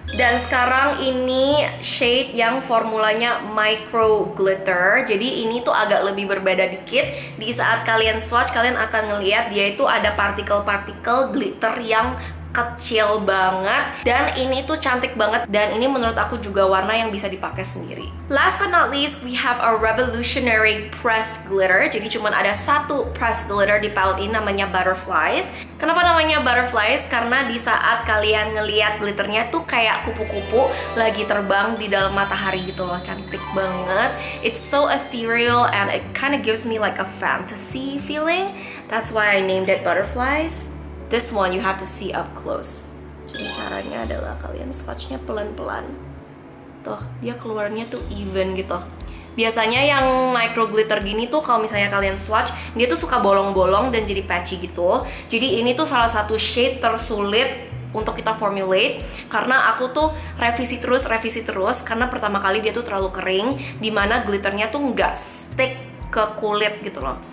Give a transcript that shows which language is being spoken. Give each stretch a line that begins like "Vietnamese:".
Indonesian: Dan sekarang ini shade yang formulanya micro glitter. Jadi ini tuh agak lebih berbeda dikit. Di saat kalian swatch, kalian akan ngelihat dia itu ada partikel-partikel glitter yang kecil banget, dan ini tuh cantik banget, dan ini menurut aku juga warna yang bisa dipakai sendiri.
English: Last but not least, we have a revolutionary pressed glitter.
Indonesian: Jadi cuma ada satu pressed glitter di palette ini, namanya Butterflies. Kenapa namanya Butterflies? Karena di saat kalian ngelihat glitternya tuh kayak kupu-kupu lagi terbang di dalam matahari gitu loh, cantik banget.
English: It's so ethereal and it kind of gives me like a fantasy feeling. That's why I named it Butterflies. This one you have to see up close.
Indonesian: Jadi caranya adalah kalian swatchnya pelan-pelan. Tuh, dia keluarnya tuh even gitu. Biasanya yang micro glitter gini tuh kalau misalnya kalian swatch, dia tuh suka bolong-bolong dan jadi patchy gitu. Jadi ini tuh salah satu shade tersulit untuk kita formulate, karena aku tuh revisi terus, karena pertama kali dia tuh terlalu kering, dimana glitternya tuh nggak stick ke kulit gitu loh.